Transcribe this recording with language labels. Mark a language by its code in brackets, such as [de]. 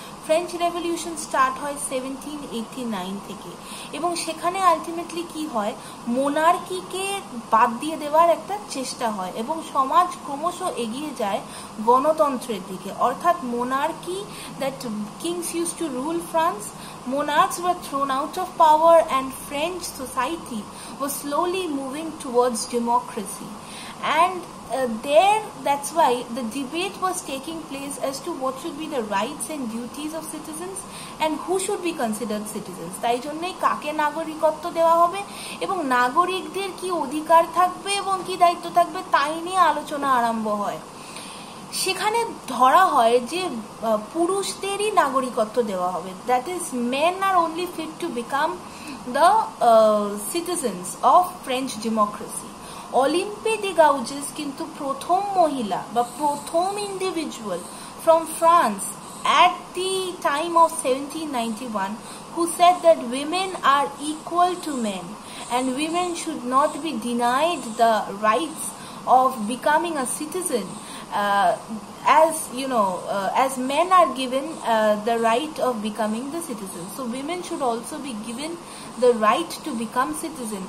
[bn] French revolution start হয় 1789 থেকে, এবং সেখানে আলটিমেটলি কি হয়, মোনার্কিকে বাদ দিয়ে দেওয়ার একটা চেষ্টা হয় এবং সমাজ ক্রমশ এগিয়ে যায় গণতন্ত্রের দিকে। [en] অর্থাৎ monarchy, that kings use to rule France, monarchs were thrown out of power and French society was slowly moving towards democracy. And there, that's why the debate was taking place as to what should be the rights and duties of citizens and who should be considered citizens. [bn] তাই জন্যই কাকে নাগরিকত্ব দেওয়া হবে এবং নাগরিকদের কি অধিকার থাকবে এবং কি দায়িত্ব থাকবে, তাই নিয়ে আলোচনা আরম্ভ হয়। সেখানে ধরা হয় যে পুরুষদেরই নাগরিকত্ব দেওয়া হবে, [en] That is men are only fit to become the citizens of French democracy. Olympe de Gouges [bn] কিন্তু প্রথম মহিলা বা প্রথম [en] Individual from France at the time of 1791 who said that women are equal to men and women should not be denied the rights of becoming a citizen as you know, as men are given the right of becoming the citizen, so women should also be given the right to become citizen.